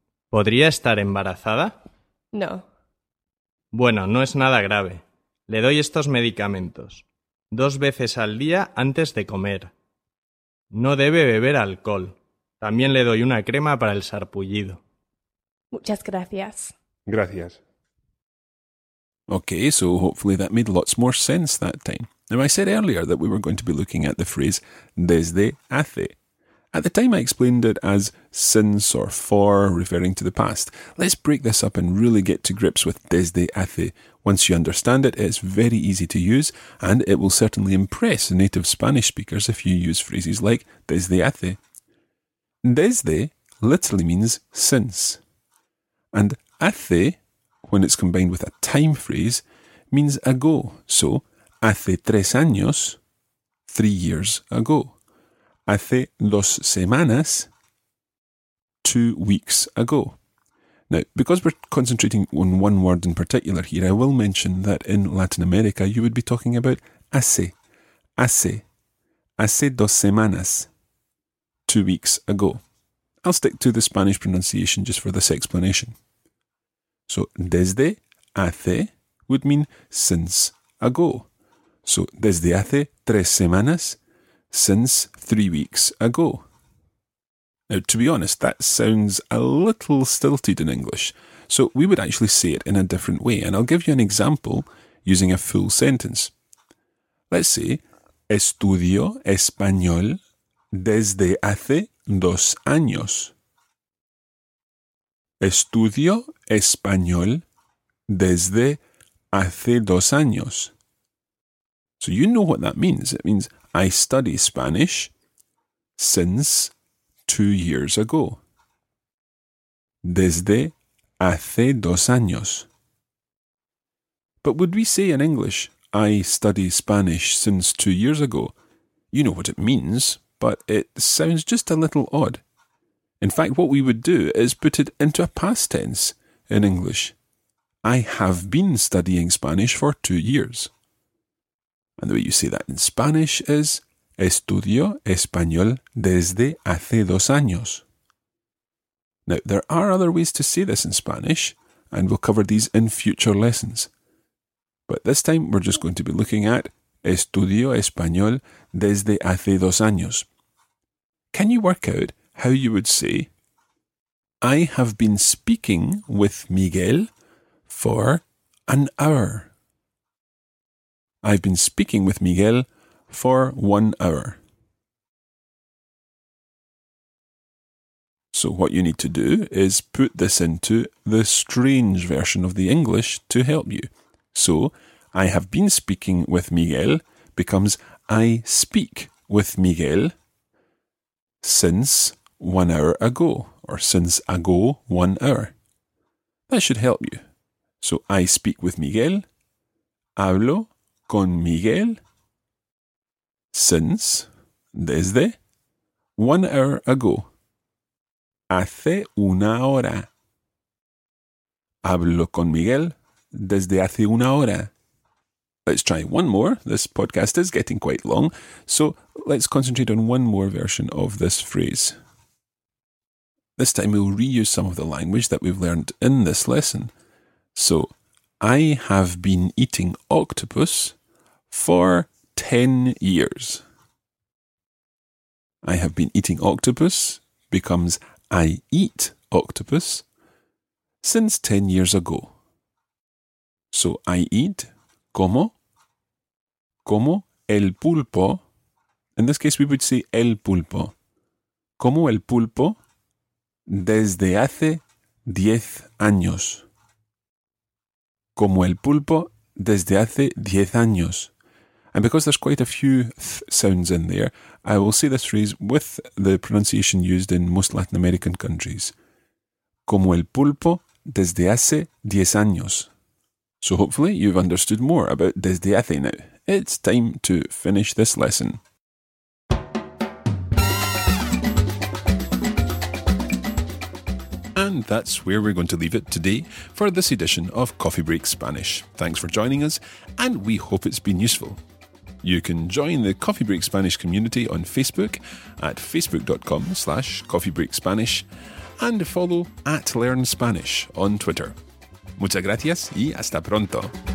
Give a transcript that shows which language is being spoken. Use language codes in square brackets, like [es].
[es] ¿Podría estar embarazada? No. Bueno, no es nada grave. Le doy estos medicamentos. 2 veces al día antes de comer. No debe beber alcohol. También le doy una crema para el sarpullido. Muchas gracias. Gracias. [en] Okay, so hopefully that made lots more sense that time. Now, I said earlier that we were going to be looking at the phrase desde hace. At the time, I explained it as since or for, referring to the past. Let's break this up and really get to grips with desde hace. Once you understand it, it's very easy to use, and it will certainly impress native Spanish speakers if you use phrases like desde hace. Desde literally means since. And hace, when it's combined with a time phrase, means ago. So, [es] hace tres años, [en] 3 years ago. [es] Hace dos semanas, [en] 2 weeks ago. Now, because we're concentrating on one word in particular here, I will mention that in Latin America, you would be talking about [es] hace dos semanas, [en] 2 weeks ago. I'll stick to the Spanish pronunciation just for this explanation. So, desde hace would mean since ago. So, [es] desde hace tres semanas, [en] since 3 weeks ago. Now, to be honest, that sounds a little stilted in English, so we would actually say it in a different way, and I'll give you an example using a full sentence. Let's say, [es] estudio español desde hace dos años. Estudio español desde hace dos años. [en] So you know what that means. It means, I study Spanish since 2 years ago. [es] Desde hace dos años. [en] But would we say in English, I study Spanish since 2 years ago? You know what it means, but it sounds just a little odd. In fact, what we would do is put it into a past tense in English. I have been studying Spanish for 2 years. And the way you say that in Spanish is, [es] estudio español desde hace dos años. [en] Now, there are other ways to say this in Spanish, and we'll cover these in future lessons. But this time, we're just going to be looking at [es] estudio español desde hace dos años. [en] Can you work out how you would say, I have been speaking with Miguel for an hour? I've been speaking with Miguel for 1 hour. So what you need to do is put this into the strange version of the English to help you. So, I have been speaking with Miguel becomes I speak with Miguel since 1 hour ago, or since ago 1 hour. That should help you. So, I speak with Miguel, [es] hablo con Miguel [en] since, desde, 1 hour ago. [es] Hace una hora. Hablo con Miguel desde hace una hora. [en] Let's try one more. This podcast is getting quite long, so let's concentrate on one more version of this phrase. This time we'll reuse some of the language that we've learned in this lesson. So, I have been eating octopus for 10 years. I have been eating octopus becomes I eat octopus since 10 years ago. So I eat [es] como el pulpo. [en] In this case, we would say el pulpo. [es] Como el pulpo desde hace 10 años. Como el pulpo desde hace 10 años. [en] And because there's quite a few sounds in there, I will say this phrase with the pronunciation used in most Latin American countries. [es] Como el pulpo desde hace 10 años. [en] So hopefully you've understood more about desde hace now. It's time to finish this lesson. And that's where we're going to leave it today for this edition of Coffee Break Spanish. Thanks for joining us, and we hope it's been useful. You can join the Coffee Break Spanish community on Facebook at facebook.com/coffeebreakspanish and follow at Learn Spanish on Twitter. [es] Muchas gracias y hasta pronto.